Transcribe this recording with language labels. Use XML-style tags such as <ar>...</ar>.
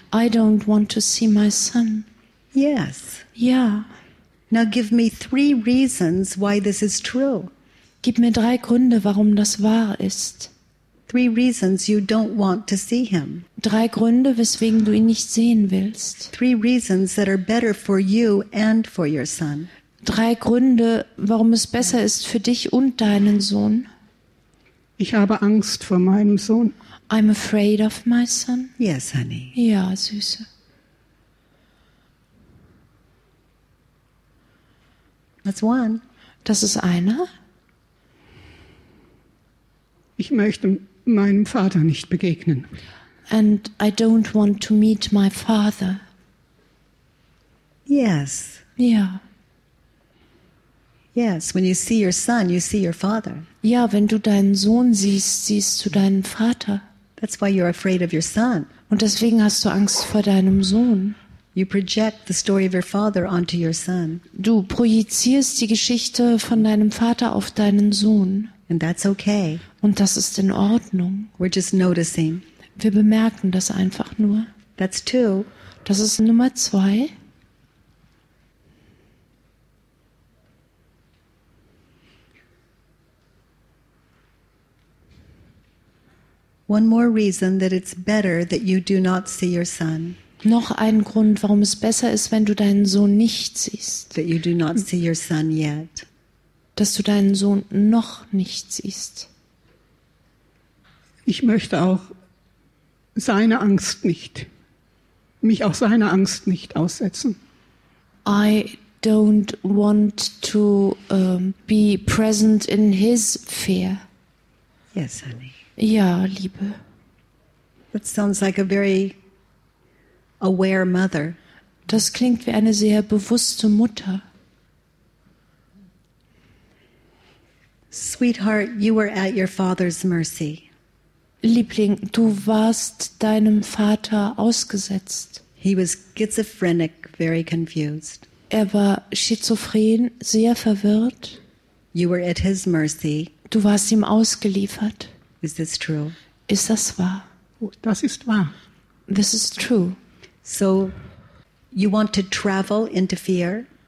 <en>I don't want to see my son. Yes. Yeah. Now give me 3 reasons why this is true.</en> <de>Gib mir 3 Gründe, warum das wahr ist.</de> <en>3 reasons you don't want to see him.</en> <de>3 Gründe, weswegen du ihn nicht sehen willst.</de> <en>3 reasons that are better for you and for your son.</en> <de>3 Gründe, warum es besser ist für dich und deinen Sohn. Ich habe Angst vor meinem Sohn.</de> <en>I'm afraid of my son. Yes, honey.</en> <de>Ja, Süße.</de> <en>That's one.</en> <de>Das ist einer. Ich möchte meinem Vater nicht begegnen.</de> <en>And I don't want to meet my father. Yes. Yeah. Yes, when you see your son, you see your father.</en> <de>Ja, wenn du deinen Sohn siehst, siehst du deinen Vater.</de> <en>That's why you're afraid of your son.</en> <de>Und deswegen hast du Angst vor deinem Sohn.</de> <en>You project the story of your father onto your son.</en> <de>Du projizierst die Geschichte von deinem Vater auf deinen Sohn.</de> <en>And that's okay.</en> <de>Und das ist in Ordnung.</de> <en>We're just noticing.</en> <de>Wir bemerken das einfach nur.</de> <en>That's 2.</en> <de>Das ist Nummer 2.</de> <en>One more reason that it's better that you do not see your son.</en> <de>Noch ein Grund, warum es besser ist, wenn du deinen Sohn nicht siehst.</de> <en>That you do not see your son yet.</en> <de>Dass du deinen Sohn noch nicht siehst. Ich möchte auch seine Angst nicht, mich auch seiner Angst nicht aussetzen.</de> <en>I don't want to be present in his fear. Yes, honey.</en> <de>Ja, Liebe.</de> <en>That sounds like a very aware mother.</en> <de>Das klingt wie eine sehr bewusste Mutter.</de> <en>Sweetheart, you were at your father's mercy.</en> <de>Liebling, du warst deinem Vater ausgesetzt.</de> <en>He was schizophrenic, very confused.</en> <de>Er war schizophren, sehr verwirrt.</de> <en>You were at his mercy.</en> <de>Du warst ihm ausgeliefert.</de> <en>Is this true?</en> <de>Ist das wahr? Das ist wahr.</de> <en>This is true. So, you want to travel into fear?</en>